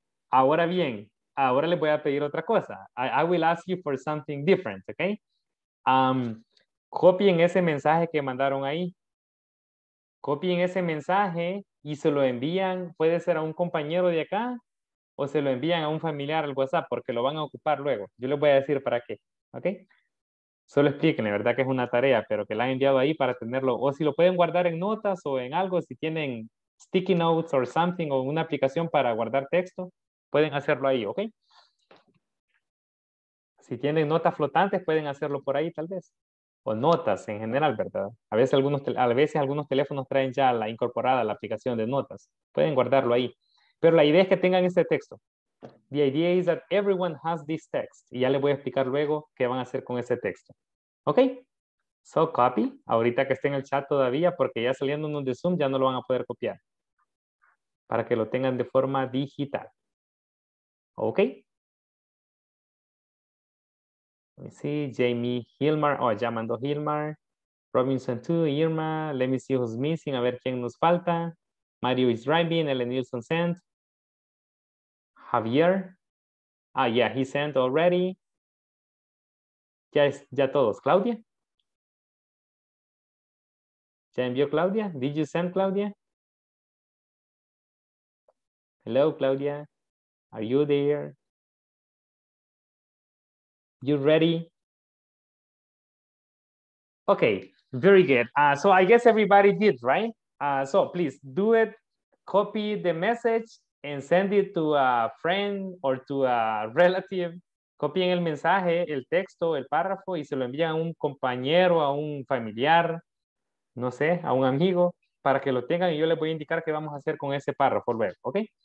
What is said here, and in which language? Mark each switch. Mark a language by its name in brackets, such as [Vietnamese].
[Spanish] Ahora bien, ahora les voy a pedir otra cosa. [English] I will ask you for something different, ok? [Spanish] Copien ese mensaje que mandaron ahí. Copien ese mensaje y se lo envían, puede ser a un compañero de acá o se lo envían a un familiar al WhatsApp porque lo van a ocupar luego. Yo les voy a decir para qué, ok? Solo explíquenle, ¿verdad? Que es una tarea, pero que la han enviado ahí para tenerlo. O si lo pueden guardar en notas o en algo, si tienen... [English] sticky notes or something, [Spanish] o una aplicación para guardar texto, pueden hacerlo ahí, ¿ok? Si tienen notas flotantes, pueden hacerlo por ahí, tal vez. O notas en general, ¿verdad? A veces algunos teléfonos traen ya la incorporada la aplicación de notas. Pueden guardarlo ahí. Pero la idea es que tengan este texto. [English] The idea is that everyone has this text. [Spanish] Y ya les voy a explicar luego qué van a hacer con ese texto. ¿Ok? [English] So copy, [Spanish] ahorita que esté en el chat todavía, porque ya saliéndonos de Zoom ya no lo van a poder copiar. Para que lo tengan de forma digital. ¿Ok? [English] Let me see, Jamie Hilmar, oh, [Spanish] ya mandó [English] Hilmar. Robinson 2, Irma, let me see who's missing, [Spanish] a ver quién nos falta. [English] Mario is driving, Ellen Nielsen sent. Javier. Ah, yeah, he sent already. [Spanish] Ya todos, [English] Claudia. [Spanish] ¿Ya envió Claudia? [English] Did you send Claudia? Hello, Claudia. Are you there? You ready? Okay, very good. So I guess everybody did, right? So please do it. Copy the message and send it to a friend or to a relative. [Spanish] Copien el mensaje, el texto, el párrafo y se lo envían a un compañero, a un familiar. No sé, a un amigo, para que lo tengan y yo les voy a indicar qué vamos a hacer con ese párrafo luego, ¿ok?